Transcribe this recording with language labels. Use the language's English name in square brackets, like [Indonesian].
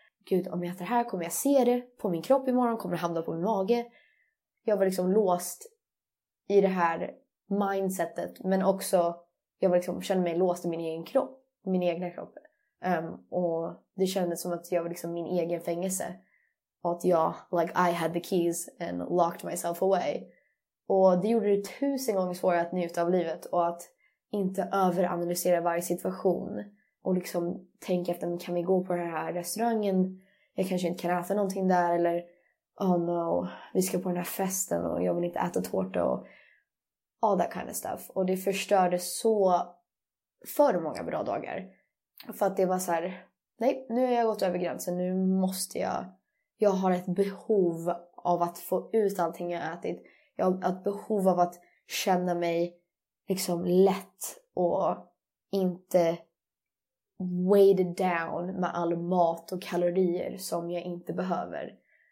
[Swedish] Gud, om jag äter det här kommer jag se det på min kropp imorgon, kommer det hamna på min mage. Jag var liksom låst i det här mindsetet, men också jag var liksom, kände mig låst i min egen kropp, min egna kropp. Och det kändes som att jag var liksom min egen fängelse. Och att jag, [English] like I had the keys and locked myself away. [Swedish] Och det gjorde det 1000 gånger svårare att njuta av livet och att inte överanalysera varje situation. Och liksom tänka efter, kan vi gå på den här restaurangen? Jag kanske inte kan äta någonting där. Eller, oh no, vi ska på den här festen och jag vill inte äta tårta. [English] Och all that kind of stuff. [Swedish] Och det förstörde så för många bra dagar. För att det var så här, nej, nu har jag gått över gränsen. Nu måste jag, jag har ett behov av att få ut allting jag ätit. Jag har ett behov av att känna mig liksom lätt och inte [English] weighed down [Swedish] med all mat och kalorier som jag inte behöver.